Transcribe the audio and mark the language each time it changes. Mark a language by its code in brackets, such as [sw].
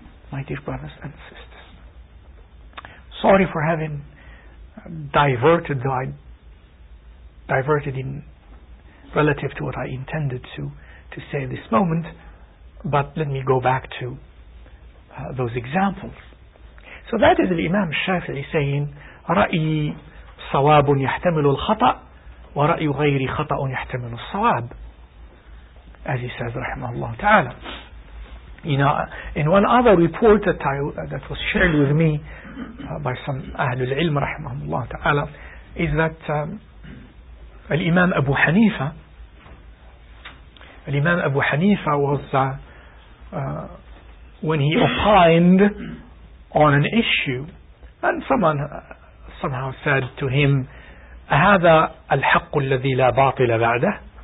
[en] My dear brothers and sisters, sorry for having diverted, though I diverted in relative to what I intended to say this moment, but let me go back to those examples. So that is Imam Shafi'i saying, [ar] رأي صواب يحتمل الخطأ ورأي غير خطأ يحتمل الصواب, [en] as he says [ar] رحمه الله تعالى. [en] You know, in one other report that was shared with me by some Ahlul Ilm [ar] رحمهم الله تعالى, [en] is that Imam Abu Hanifa, Imam Abu Hanifa was when he opined on an issue, and someone somehow said to him, [ar] أهذا الحق الذي لا باطل بعده?